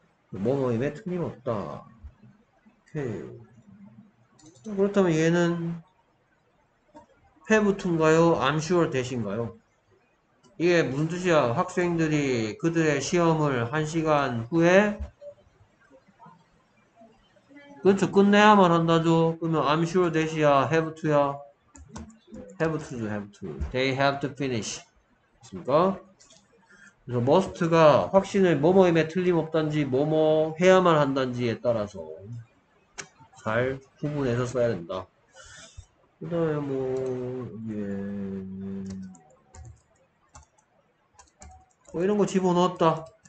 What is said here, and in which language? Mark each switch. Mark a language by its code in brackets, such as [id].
[ko] 뭐뭐임에 틀림없다. 오케이. 그렇다면 얘는 have to인가요? I'm sure that인가요? 이게 무슨 뜻이야? 학생들이 그들의 시험을 1시간 후에 그렇죠. 끝내야만 한다죠. 그러면 I'm sure that이야, have to야, have to죠, have to. [en] They have to finish. [ko] 그렇습니까? 그래서 must가 확신을 뭐뭐임에 틀림없단지 뭐뭐 해야만 한단지에 따라서 잘 구분해서 써야 된다. 그다음에 뭐 이런 거 집어넣었다.